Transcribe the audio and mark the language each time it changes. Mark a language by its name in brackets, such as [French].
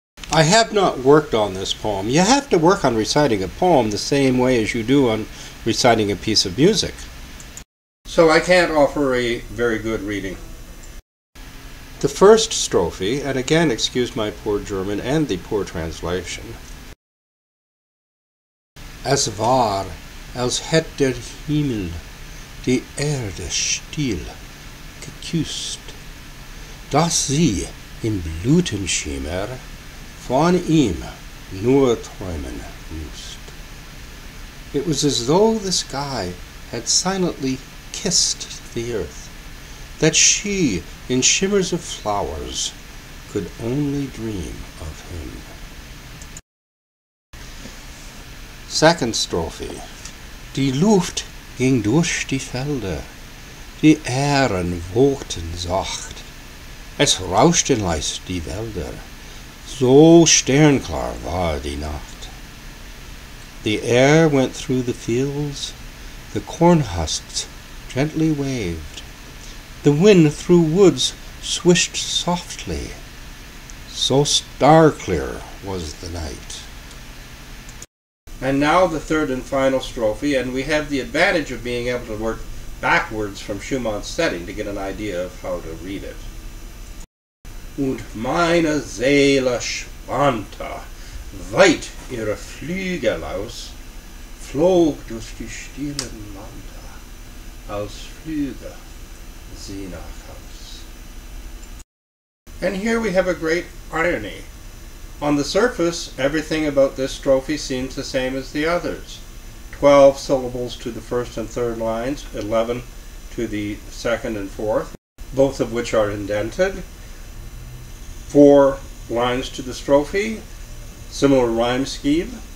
[English] I have not worked on this poem. You have to work on reciting a poem the same way as you do on reciting a piece of music. So I can't offer a very good reading. The first strophe, and again excuse my poor German and the poor translation. [German] Es war, als hätte der Himmel die Erde still geküsst, dass sie im Blütenschimmer von ihm nur träumen musst. [English] It was as though the sky had silently kissed the earth, that she, in shimmers of flowers, could only dream of him. Second strophe. [German] Die Luft ging durch die Felder, die Ähren wogten sacht, es rauschten leis die Wälder, so sternklar war die Nacht. [English] The air went through the fields, the corn husks gently waved, the wind through woods swished softly, so star clear was the night. And now the third and final strophe, and we have the advantage of being able to work backwards from Schumann's setting to get an idea of how to read it. [German] Und meine Seele spannte weit ihre Flügel aus, flog durch die stillen Lande, als flüge sie nach Haus. [English] And here we have a great irony. On the surface, everything about this strophe seems the same as the others. 12 syllables to the first and third lines, 11 to the second and fourth, both of which are indented. 4 lines to the strophe, similar rhyme scheme.